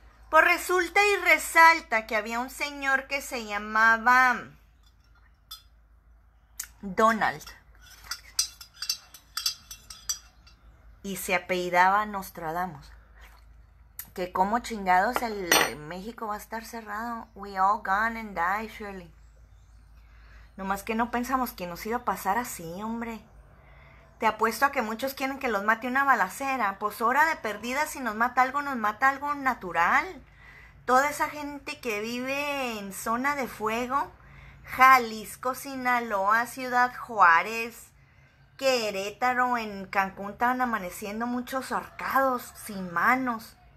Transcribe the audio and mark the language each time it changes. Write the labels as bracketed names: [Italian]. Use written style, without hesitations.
[Spanish] Pues resulta y resalta que había un señor que se llamaba Donald. Y se apellidaba Nostradamus. Que como chingados el México va a estar cerrado. [English] We all gone and die, Shirley. [Spanish] Nomás que no pensamos que nos iba a pasar así, hombre. Te apuesto a que muchos quieren que los mate una balacera. Pues hora de perdida, si nos mata algo, nos mata algo natural. Toda esa gente que vive en zona de fuego. Jalisco, Sinaloa, Ciudad Juárez, Querétaro, en Cancún estaban amaneciendo muchos ahorcados, sin manos.